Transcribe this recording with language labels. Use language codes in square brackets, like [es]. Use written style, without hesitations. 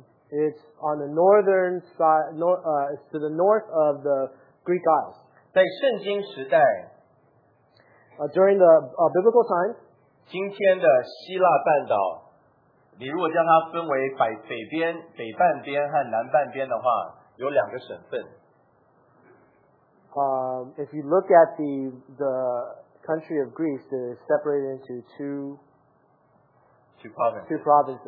[en] It's on the northern side, it's to the north of the Greek Isles. [zh] 在圣经时代, [en] during the biblical times, [zh] 今天的希腊半岛, 你如果将它分为北边, 北半边和南半边的话, 有两个省份。 [en] If you look at the country of Greece, it is separated into two provinces.